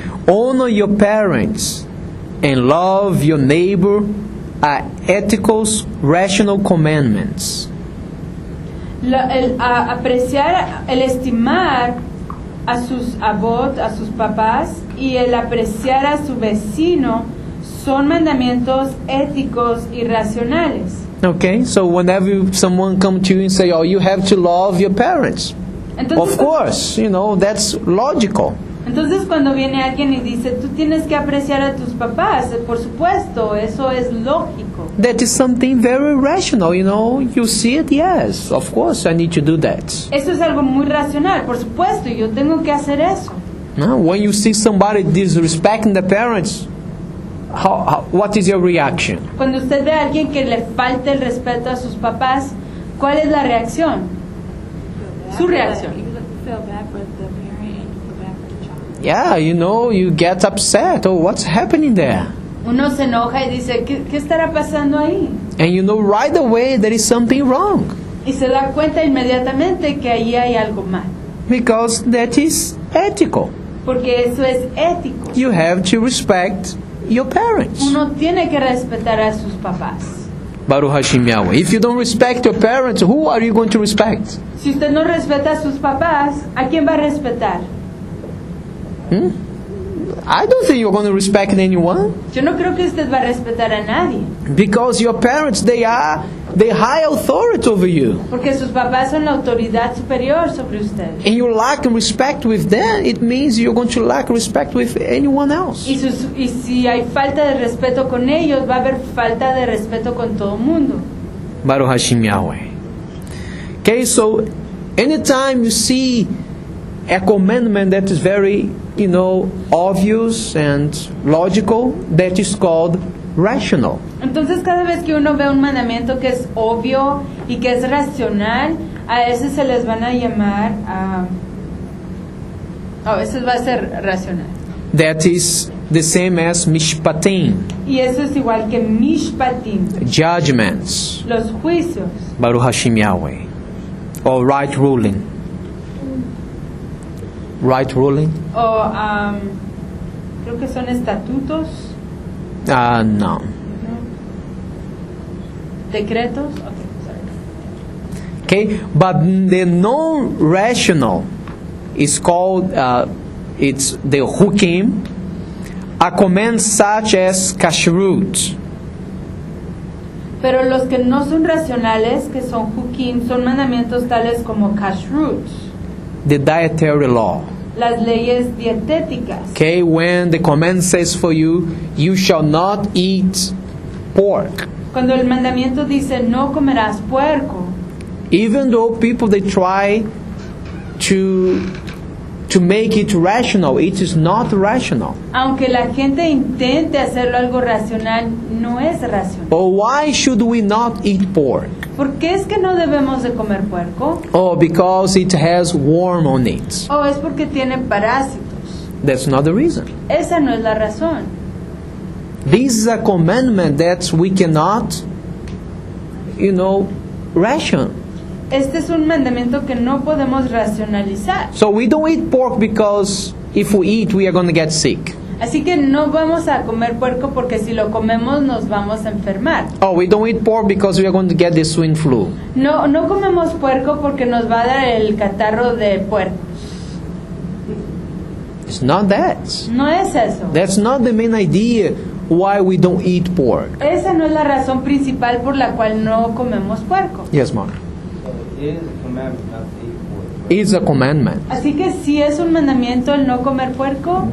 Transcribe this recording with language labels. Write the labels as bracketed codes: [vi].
[en] Honor your parents and love your neighbor are ethical, rational commandments. [es] Apreciar, el estimar a sus abot, a sus papás, y el apreciar a su vecino son mandamientos éticos y racionales. [en] Okay, so whenever someone comes to you and say, oh, you have to love your parents. [es] Entonces, [en] of course, you know, that's logical. [es] Entonces cuando viene alguien y dice, tú tienes que apreciar a tus papás, por supuesto, eso es lógico. [en] That is something very rational, you know, you see it, yes, of course, I need to do that. [es] Eso es algo muy racional, por supuesto, yo tengo que hacer eso. [en] Now, when you see somebody disrespecting the parents, what is your reaction? [es] Cuando usted ve a alguien que le falta el respeto a sus papás, ¿cuál es la reacción? Su reacción. [en] Yeah, you know, you get upset. Oh, what's happening there? [es] Uno se enoja y dice, ¿qué estará pasando ahí? [en] And you know right away there is something wrong. [es] Y se da cuenta inmediatamente que ahí hay algo mal. [en] Because that is ethical. [es] Porque eso es ético. [en] You have to respect your parents. [es] Uno tiene que respetar a sus papás. [he] Baruch Hashem Yahweh. [en] If you don't respect your parents, who are you going to respect? [es] Si usted no respeta a sus papás, ¿a quién va a respetar? [en] I don't think you're going to respect anyone. [es] Yo no creo que usted va a respetar a nadie. [en] Because your parents, they are the high authority over you. [es] Porque sus papás son la autoridad superior sobre usted. [en] And you lack respect with them, it means you're going to lack respect with anyone else. [es] Y si hay falta de respeto con ellos, va a haber falta de respeto con todo mundo. [he] Baruch Hashem Yahweh. [en] Okay, so anytime you see a commandment that is very, you know, obvious and logical, that is called rational. [es] Entonces cada vez que uno ve un mandamiento que es obvio y que es racional, a veces se les van a llamar a veces va a ser racional. [en] That is the same as mishpatim. [es] Y eso es igual que mishpatim. [en] Judgments. [es] Los juicios. [he] Baruch Hashem Yahweh. [en] Or right ruling. Right ruling? [es] Oh, creo que son estatutos. No. [en] Decretos? Okay, sorry. Okay, but the non-rational is called, it's the hukim, a command such as kashrut. [es] Pero los que no son racionales, que son hukim, son mandamientos tales como kashrut. [en] The dietary law. [es] Las leyes dietéticas. [en] Okay, when the command says for you, you shall not eat pork. [es] Cuando el mandamiento dice no comerás puerco. [en] Even though people they try to make it rational, it is not rational. [es] Aunque la gente intente hacerlo algo racional, no es racional. [en] Or why should we not eat pork? [es] ¿Por qué es que no debemos de comer puerco? [en] Oh, because it has worm on it. [es] Oh, es porque tiene parásitos. [en] That's not the reason. [es] Esa no es la razón. [en] This is a commandment that we cannot, you know, ration. [es] Este es un mandamiento que no podemos racionalizar. [en] So we don't eat pork because if we eat, we are going to get sick. [es] Así que no vamos a comer puerco porque si lo comemos nos vamos a enfermar. [en] Oh, we don't eat pork because we are going to get the swine flu. [es] No comemos puerco porque nos va a dar el catarro de puerco. [en] It's not that. [es] No es eso. [en] That's not the main idea why we don't eat pork. [es] Esa no es la razón principal por la cual no comemos puerco. [en] Yes, Mark. It's a commandment. [es] Así que si es un mandamiento el no comer puerco.